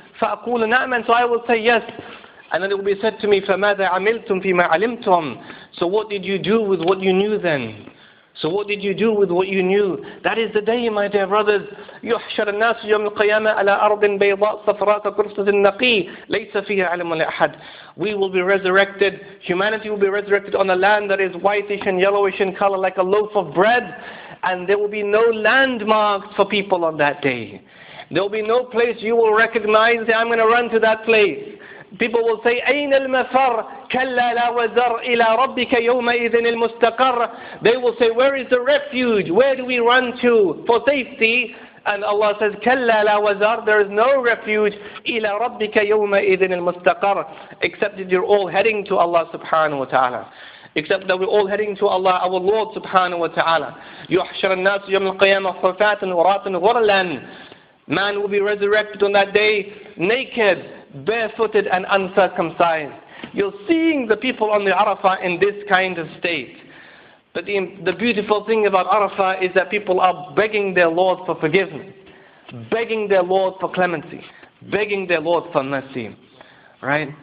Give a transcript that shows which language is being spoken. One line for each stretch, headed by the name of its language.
Arabic: فَأَقُولُ نَعْمًا
English: So I will say yes. And then it will be said to me,
Arabic: فَمَاذَا عَمِلْتُمْ فِي مَا عَلِمْتُمْ
English: So what did you do with what you knew then? So what did you do with what you knew? That is the day, my dear brothers.
Arabic: يحشر الناس يوم القيامة على أرض بيضاء صفراء كرسة النقي ليس فيها علم لأحد.
English: We will be resurrected. Humanity will be resurrected on a land that is whitish and yellowish in color like a loaf of bread. And there will be no landmarks for people on that day. There will be no place you will recognize. Say, I'm going to run to that place. People will say,
Arabic: أين المفر؟ كلا لا وزر إلى ربك يومئذ المستقر.
English: They will say, where is the refuge? Where do we run to for safety? And Allah says,
Arabic: كلا لا وزر.
English: There is no refuge
Arabic: إلى ربك يومئذ المستقر.
English: Except that you're all heading to Allah subhanahu wa ta'ala. Except that we're all heading to Allah, our Lord subhanahu wa ta'ala.
Arabic: يحشر الناس يوم القيامة صفاتاً وراتاً غرلاً.
English: Man will be resurrected on that day naked, barefooted and uncircumcised. You're seeing the people on the Arafah in this kind of state. But the beautiful thing about Arafah is that people are begging their Lord for forgiveness, begging their Lord for clemency, begging their Lord for mercy. Right?